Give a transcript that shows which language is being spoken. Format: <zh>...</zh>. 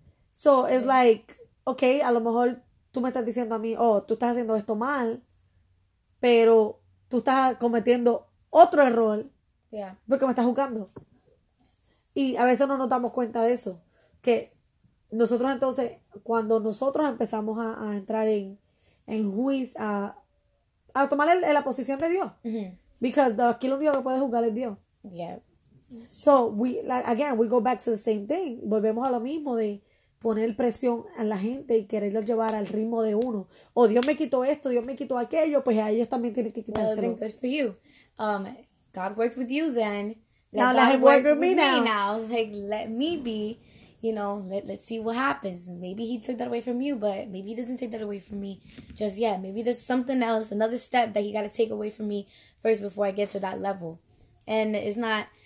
<en>So it's like, okay,</en> <es>a lo mejor tú me estás diciendo a mí, oh, tú estás haciendo esto mal, pero tú estás cometiendo otro error.</es> <en>Yeah.</en> <es>Porque me estás juzgando. Y a veces no nos damos cuenta de eso. Que nosotros entonces, cuando nosotros empezamos a entrar en juicio, a tomar la posición de Dios. Mm-hmm. Because aquí lo único que puede juzgar es Dios.</es> <en>Yeah. So we go back to the same thing.</en> <es>Volvemos a lo mismo de poner presión a la gente y quererlo llevar al ritmo de uno. O Dios me quitó esto, Dios me quitó aquello, pues a ellos también tienen que quitárselo.</es> <en>Well, then good for you. God worked with you then. Let now let him work with me now. Like, let me be, you know, let's see what happens. Maybe he took that away from you, but maybe he doesn't take that away from me just yet. Maybe there's something else, another step that he got to take away from me first before I get to that level. And it's not...</en>